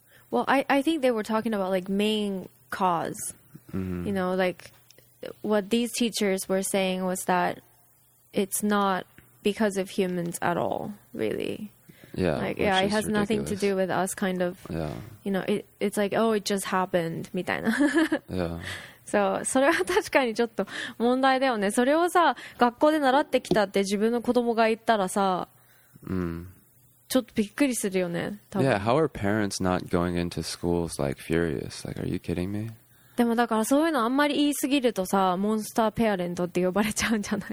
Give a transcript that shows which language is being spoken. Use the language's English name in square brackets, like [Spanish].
[English] Well, I think they were talking about like main cause.、Mm-hmm. You know, like what these teachers were saying was that it's not because of humans at all, really. Yeah, like, yeah, it has、ridiculous. Nothing to do with us, kind of. Yeah. You know, it's like, oh, it just happened, [Japanese] みたいな。 [English] Yeah. [Japanese] So, それは確かにちょっと問題だよね。それをさ、学校で習ってきたって自分の子供が言ったらさ、ちょっとびっくりするよね、多分。 [English] Yeah, how are parents not going into schools like furious? Like, are you kidding me? [Japanese] でもだからそういうのあんまり言いすぎるとさ、モンスターペアレントって呼ばれちゃうんじゃない